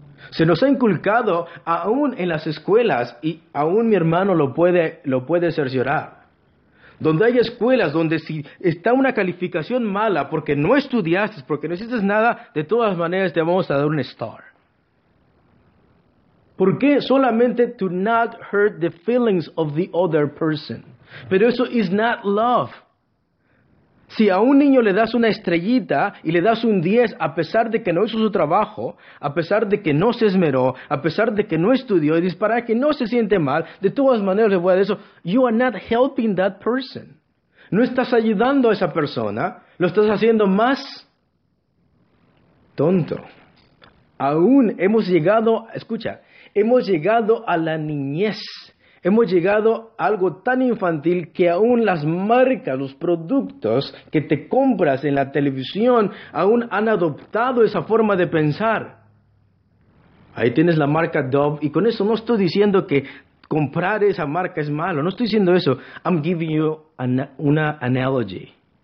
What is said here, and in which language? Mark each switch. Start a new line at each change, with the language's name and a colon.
Spanish: Se nos ha inculcado, aún en las escuelas, y aún mi hermano lo puede cerciorar, donde hay escuelas donde si está una calificación mala porque no estudiaste, porque no hiciste nada, de todas maneras te vamos a dar un star. ¿Por qué? Solamente
English: to not hurt the feelings of the other person.
Spanish: Pero eso
English: is not love.
Spanish: Si a un niño le das una estrellita y le das un 10 a pesar de que no hizo su trabajo, a pesar de que no se esmeró, a pesar de que no estudió, y dices, para que no se siente mal, de todas maneras le voy a dar eso.
English: You are not helping that person.
Spanish: No estás ayudando a esa persona. Lo estás haciendo más tonto. Aún hemos llegado, escucha, hemos llegado a la niñez. Hemos llegado a algo tan infantil que aún las marcas, los productos que te compras en la televisión, aún han adoptado esa forma de pensar. Ahí tienes la marca Dove, y con eso no estoy diciendo que comprar esa marca es malo, no estoy diciendo eso.
English: I'm giving you
Spanish: una
English: analogy.